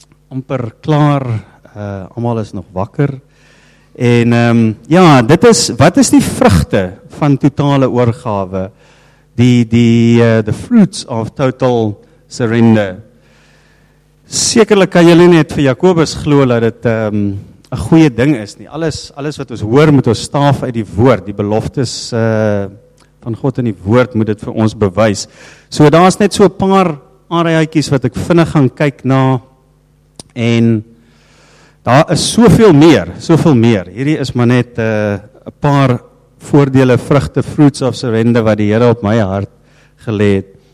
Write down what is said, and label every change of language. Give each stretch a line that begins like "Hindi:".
Afrikaans: Amper klaar, almal is nog wakker. En ja, dit is, wat is die vrugte van totale oorgawe?
English: The fruits of total surrender.
Afrikaans: Sekerlik kan julle net vir Jakobus glo dat dit 'n goeie ding is nie. Alles wat ons hoor moet ons staaf uit die woord. Die beloftes van God in die woord moet dit vir ons bewys. So daar is net so 'n paar areaatjies wat ek vinnig gaan kyk na. En daar is soveel meer. Hierdie is maar net 'n paar voordele, vrugte,
English: fruits of surrender
Afrikaans: wat die Here op my hart gelê het.